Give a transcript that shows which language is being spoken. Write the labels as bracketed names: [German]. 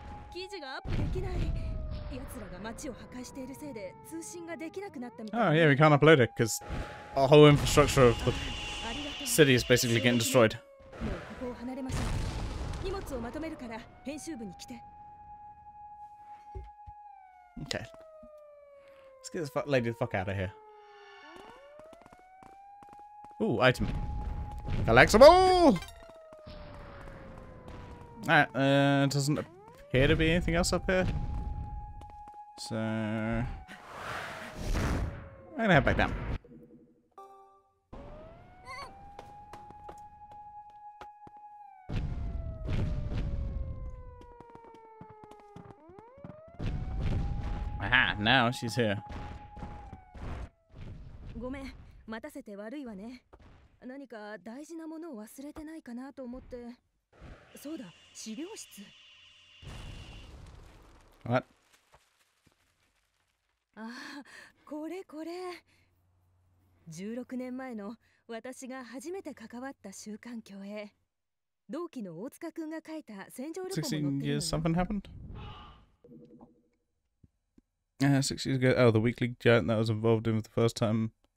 [Japanese] 記事がアップできない。奴らが街を破壊しているせいで通信ができなくなったみたい。 [English] Oh, yeah, we can't upload it because our whole infrastructure of the city is basically getting destroyed. [Japanese] もうここを離れましょう。荷物をまとめるから編集部に来て。 [English] Okay. Let's get this lady the fuck out of here. Ooh, item. Collectible! Alright, it doesn't appear to be anything else up here. So... I'm gonna head back down. Aha, now she's here. [Japanese] ごめん、待たせて悪いわね。何か大事なものを忘れてないかなと思って。そうだ、資料室。 [English] What? [Japanese] ああ、これこれ。 16年前の私が初めて関わった週刊巨影。同期の大塚くんが書いた戦場ルポも載ってるの。 16 [English] years something happened? 6 years ago, oh, the weekly giant that I was involved in for the first time.